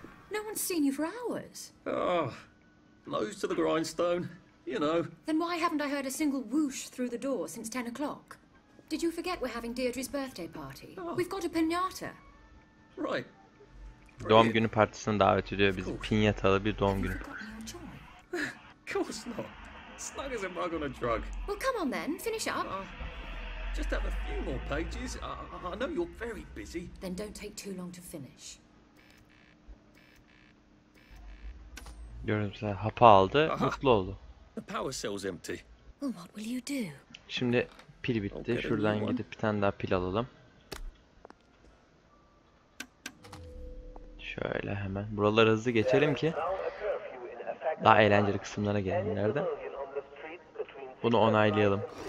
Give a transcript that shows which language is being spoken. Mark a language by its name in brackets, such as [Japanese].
[English] No one's seen you for hours. Oh, nose to the grindstone, you know. Then why haven't I heard a single whoosh through the door since 10 o'clock? Did you forget we're having Deirdre's birthday party? Oh. We've got a pinata. Right. [Turkish] Doğum günü partisine davet ediyor bizi. Pinyatalı bir doğum günü. [English] Course not. Snug as a mug on a drug. Well, come on then, finish up. Just have a few more pages. I know you're very busy. Then don't take too long to finish. [Turkish] Görünüşte hapı aldı, mutlu oldu. [English] The power cell's empty. Well, what will you do? [Turkish] Şimdi pil bitti. Şuradan gidip bir tane daha pil alalım. Şöyle hemen. Buraları hızlı geçelim ki daha eğlenceli kısımlara gelelim nerede. Bunu onaylayalım.